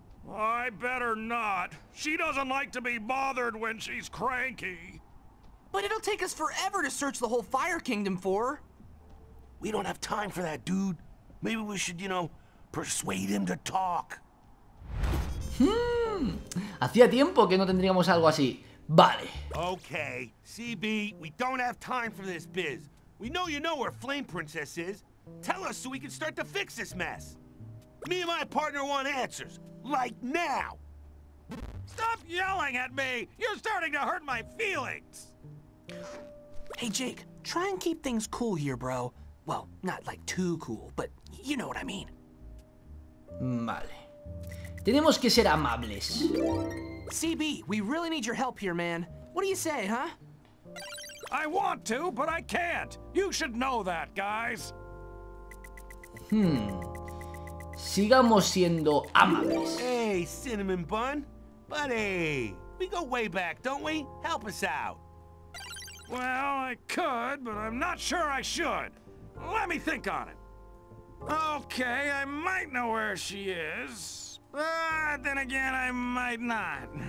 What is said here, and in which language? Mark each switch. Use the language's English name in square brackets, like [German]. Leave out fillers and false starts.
[English] I better not. She doesn't like to be bothered when she's cranky. But it'll take us forever to search the whole Fire Kingdom for her. We don't have time for that, dude. Maybe we should, you know, persuade him to talk. [Spanish] Hacía tiempo que no tendríamos algo así. Vale. [English] Okay, CB, we don't have time for this biz. We know you know where Flame Princess is. Tell us so we can start to fix this mess. Me and my partner want answers, like now! Stop yelling at me! You're starting to hurt my feelings! Hey, Jake, try and keep things cool here, bro. Well, not like too cool, but you know what I mean. [Spanish] Vale. Tenemos que ser amables. [English] CB, we really need your help here, man. What do you say, huh? I want to, but I can't. You should know that, guys. [Spanish] Sigamos siendo amables. [English] Hey, Cinnamon Bun. Buddy, we go way back, don't we? Help us out. Well, I could, but I'm not sure I should. Let me think on it. Okay, I might know where she is. But then again, I might not.